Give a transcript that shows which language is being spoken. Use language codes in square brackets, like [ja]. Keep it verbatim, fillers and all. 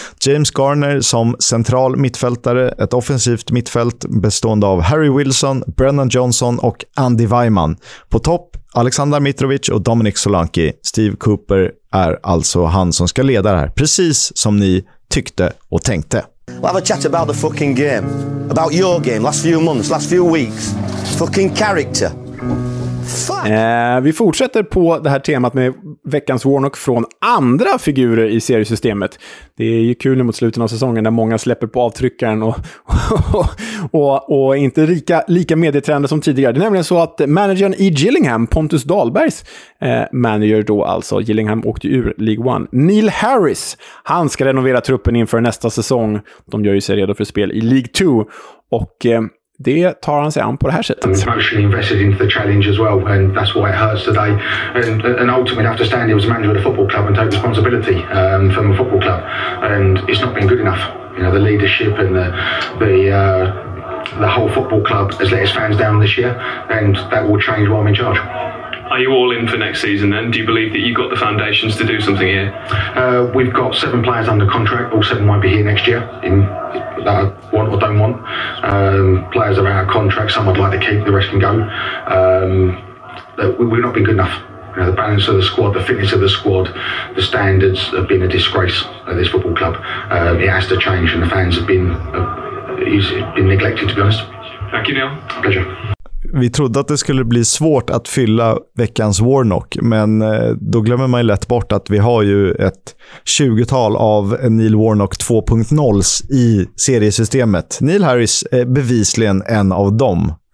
[sv] James Garner som central mittfältare, ett offensivt mittfält bestående av Harry Wilson, Brennan Johnson och Andy Weimann. På topp Aleksandar Mitrovic och Dominic Solanke. Steve Cooper är alltså han som ska leda det här, precis som ni tyckte och tänkte. [en] We'll have a chat about the fucking game, about your game, last few months, last few weeks, fucking character. [sv] Eh, vi fortsätter på det här temat med veckans Warnock från andra figurer i seriesystemet. Det är ju kul mot slutet av säsongen där många släpper på avtryckaren och, och, och, och inte lika, lika medietränade som tidigare. Det är nämligen så att managern i Gillingham, Pontus Dahlbergs eh, manager då alltså, Gillingham åkte ur League One. Neil Harris, han ska renovera truppen inför nästa säsong. De gör ju sig redo för spel i League Two och eh, det tar han sig an på det här sättet. [en] I'm emotionally invested into the challenge as well, and that's why it hurts today. And, and ultimately, I have to stand here as a manager of the football club and take responsibility um, for my football club. And it's not been good enough. You know, the leadership and the the uh, the whole football club has let its fans down this year, and that will change while I'm in charge. Are you all in for next season then? Do you believe that you've got the foundations to do something here? Uh, we've got seven players under contract. All seven won't be here next year. In that, that I want or don't want. Um, players are out of contract, some I'd like to keep, the rest can go. Um, we, we've not been good enough. You know, the balance of the squad, the fitness of the squad, the standards have been a disgrace at this football club. Um, it has to change, and the fans have been, uh, it's been neglected, to be honest. [sv] Tack, Neil. [en] Pleasure. [sv] Vi trodde att det skulle bli svårt att fylla veckans Warnock, men då glömmer man ju lätt bort att vi har ju ett tjugotal av Neil Warnock två punkt noll i seriesystemet. Neil Harris är bevisligen en av dem.